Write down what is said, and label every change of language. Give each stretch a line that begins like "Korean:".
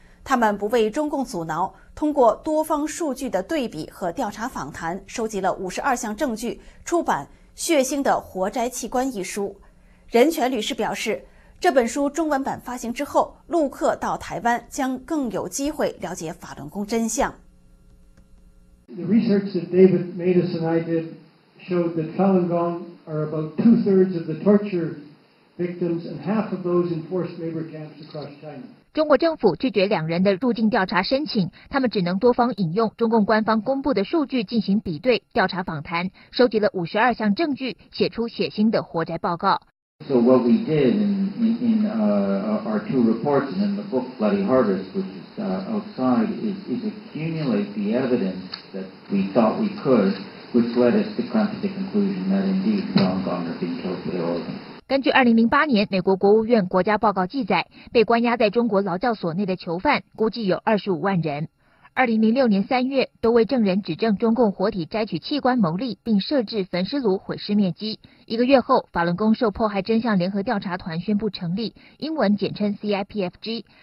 Chinese: 他们不畏中共阻挠，通过多方数据的对比和调查访谈，收集了52项证据，出版《血腥的活摘器官》一书。人权律师表示，这本书中文版发行之后，陆客到台湾将更有机会了解法轮功真相。
English: The research that David Matus and I did showed that Falun Gong are about 2/3 of the torture victims and half of those in forced labor camps across China.
Chinese: 中国政府拒绝两人的入境调查申请，他们只能多方引用中共官方公布的数据进行比对，调查访谈，收集了52项证据，写出血腥的活摘报告。
English: So what we did in our two reports and in the book Bloody Harvest, which is outside, is accumulate the evidence that we thought we could, which led us to come to the conclusion that indeed Falun Gong are being killed for their organs.
Chinese: 根据2008年美国国务院国家报告记载，被关押在中国劳教所内的囚犯估计有25万人。 2006年3月，多位证人指证中共活体摘取器官牟利，并设置焚尸炉毁尸灭迹。一个月后，法轮功受迫害真相联合调查团宣布成立，英文简称 CIPFG。